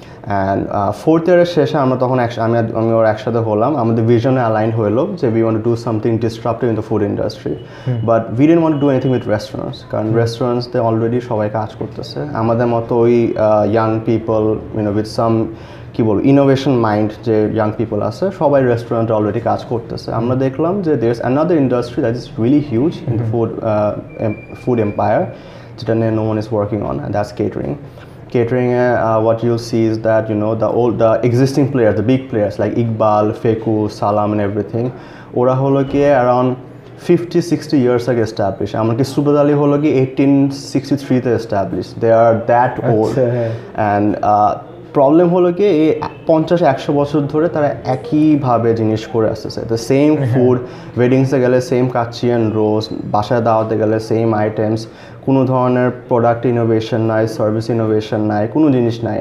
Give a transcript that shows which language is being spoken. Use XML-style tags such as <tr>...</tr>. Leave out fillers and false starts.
<bn>And fourth ইয়ারের শেষে আমরা তখন আমি ওর একসাথে হলাম, আমাদের ভিশনে অ্যালাইন হলো যে</bn> <en>we want to do something disruptive in the food industry, but we didn't want to do anything with রেস্টুরেন্টস,</en> <bn>কারণ রেস্টুরেন্টসে অলরেডি সবাই কাজ করতেছে, আমাদের মতো ওই</bn> <en>young people you know with some</en> <bn>কি বলবো ইনোভেশন মাইন্ড যে ইয়াং পিপল আছে সবাই রেস্টুরেন্টে অলরেডি কাজ করতেছে। আমরা দেখলাম যে</bn> <en>there is another industry that is really huge in the food empire,</en> <bn>যেটা নিয়ে</bn> <en>No one is working on, and that's catering. Catering, what you'll see is that, you know, the old, the existing players, the big players like Iqbal, Feku, Salam and everything,</en> <bn>ওরা হলো কি</bn> <en>around 50-60 years আগে establish,</en> <bn>এমনকি সুবেদ আলী হলো কি</bn> <en>1863 establish, they are that old.</en> <bn>And problem হলো কি, এই 50-100 বছর ধরে তারা একইভাবে জিনিস করে আসতেছে,</bn> <en>the same food,</en> <bn>ওয়েডিংসে গেলে সেম কাচ্চিয়ান রোজ, বাসায় দাওয়াতে গেলে সেম আইটেমস, কোনো ধরনের প্রোডাক্ট ইনোভেশন নাই, সার্ভিস ইনোভেশন নাই, কোনো জিনিস নাই।</bn>